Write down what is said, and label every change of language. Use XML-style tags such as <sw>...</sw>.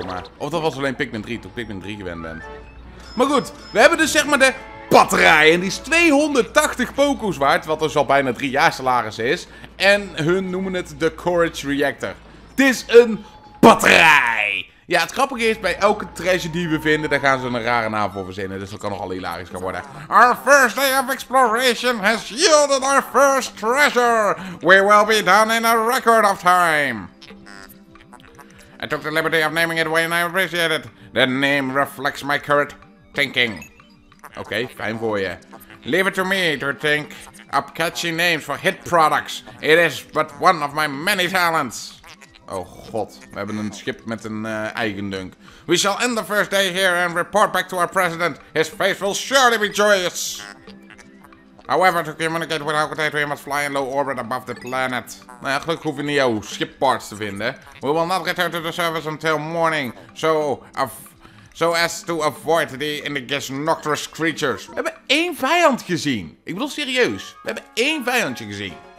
<nl>Maar, of dat was alleen Pikmin 3, toen ik Pikmin 3 gewend ben. Maar goed, we hebben dus, zeg maar, de batterij. En die is 280 poko's waard, wat dus al bijna 3 jaar salaris is. En hun noemen het de Courage Reactor. Het is een batterij! Ja, het grappige is, bij elke treasure die we vinden, daar gaan ze een rare naam voor verzinnen. Dus dat kan nogal hilarisch gaan worden.</nl> <en>Our first day of exploration has yielded our first treasure. We will be done in a record of time. I took the liberty of naming it when I appreciate it. The name reflects my current thinking.</en> <nl>Oké, fijn voor je.</nl> <en>Leave it to me to think up catchy names for hit products. It is but one of my many talents.</en> <nl>Oh god, we hebben een schip met een eigen dunk.</nl> <en>We shall end the first day here and report back to our president. His face will surely be joyous. However, to communicate with Hokuteto, we must fly in low orbit above the planet.</en> <nl>Nou ja, gelukkig hoef je niet jouw ship parts te vinden.</nl> <en>We will not return to the surface until morning, so as to avoid the indigenous noxious creatures.</en> <nl>We hebben één vijand gezien. Ik bedoel serieus, we hebben één vijandje gezien.</nl>